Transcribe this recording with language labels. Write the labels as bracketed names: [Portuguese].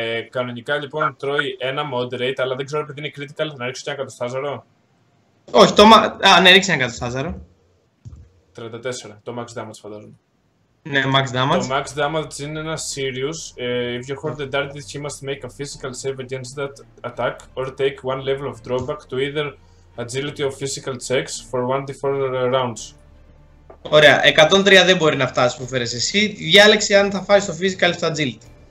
[Greek] Κανονικά λοιπόν τρώει ένα moderate, αλλά δεν ξέρω επειδή είναι critical, θα να ρίξω και ένα κατοστάζαρο. Όχι, το ναι, ρίξε ένα κατοστάζαρο. 34, το max damage φαντάζομαι. Ναι, max damage. Το max damage είναι ένα serious. [English] If you hold the target, he must make a physical save against that attack or take one level of drawback to either agility or physical checks for 1d4 rounds. [Greek] Ωραία, 103 δεν μπορεί να φτάσει που φέρεις εσύ. Διάλεξε αν θα φάει στο physical ή στο agility.